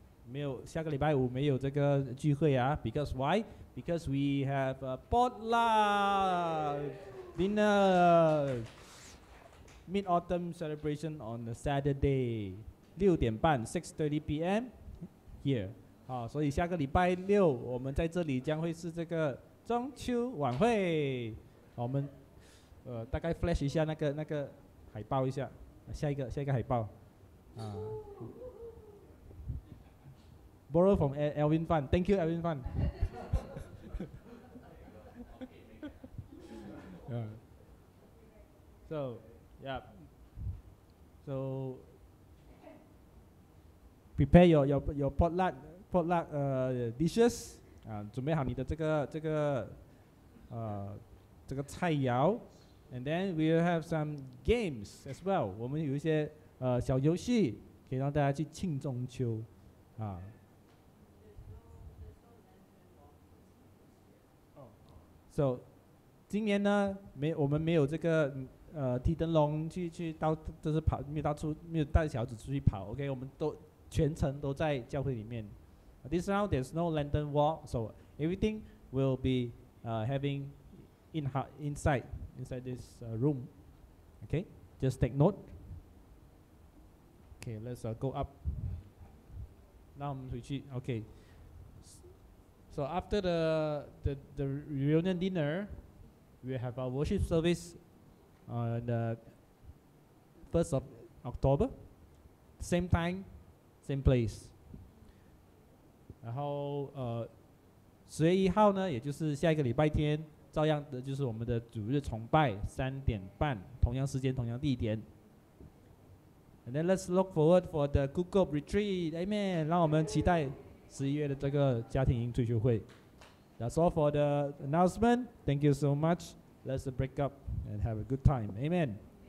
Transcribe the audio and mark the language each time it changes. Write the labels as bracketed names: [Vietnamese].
[Chinese] 没有下个礼拜五没有这个聚会啊。 [English] Because why? Because we have a potluck dinner, mid-autumn celebration on the Saturday, 6:30 p.m. p.m. Here. [Chinese] 好，所以下个礼拜六我们在这里将会是这个中秋晚会。我们大概 flash 一下那个海报一下，下一个海报啊。 [English] Borrow from Alvin Fan. Thank you, Alvin Fan. 、So, yeah. So. Prepare your potluck dishes. [Chinese] 准备好你的这个菜肴。 [English] And then we will have some games as well. [Chinese] 我们有一些小游戏可以让大家去庆中秋。 So, 今年呢我们没有这个提灯笼去到就是跑没有带小子出去跑 ,OK, 我们都全程都在教会里面。 [English] This round there's no lantern wall, so everything will be having inside this room. Okay, just take note. Okay, let's go up. [Chinese] 那我们回去。 [English] Okay, So after the reunion dinner, we have our worship service on the 1st of October. Same time, same place. [Chinese] 然后十月一号呢，也就是下一个礼拜天，照样的就是我们的主日崇拜，3:30，同样时间，同样地点。 [English] And then let's look forward for the Google retreat. Amen. [Chinese] 让我们期待十一月的这个家庭营退休会。 [English] That's all for the announcement. Thank you so much. Let's break up and have a good time. Amen.